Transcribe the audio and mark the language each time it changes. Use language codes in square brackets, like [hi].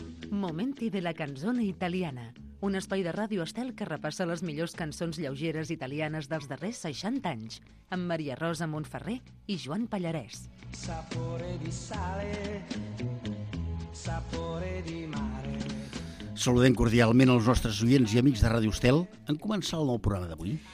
[it] Momenti della canzone italiana. [ca] Un espai de ràdio estel que repassa les millors cançons lleugeres italianes dels darrers 60 anys. Amb Maria Rosa Montferrer i Joan Pallarès. [it] Sapore di sale, sapore di mare. [ca] Saludem cordialment els nostres oients i amics de Ràdio Estel en començar el nou programa d'avui.